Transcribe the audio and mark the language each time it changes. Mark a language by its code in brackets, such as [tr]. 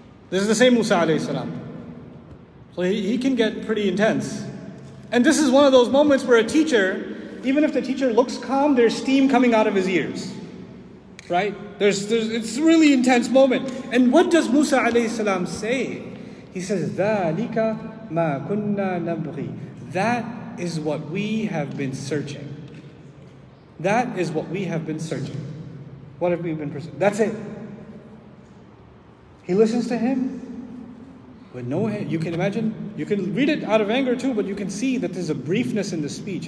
[en] This is the same Musa alayhi salam. So he can get pretty intense. And this is one of those moments where a teacher, even if the teacher looks calm, there's steam coming out of his ears. Right? It's a really intense moment. And what does Musa alayhi salam say? He says, [ar] ذَلِكَ مَا كُنَّا نَبْغِي. [en] That is what we have been searching. That is what we have been searching. What have we been pursuing? That's it. He listens to him. With no, you can imagine, you can read it out of anger too, but you can see that there's a briefness in the speech.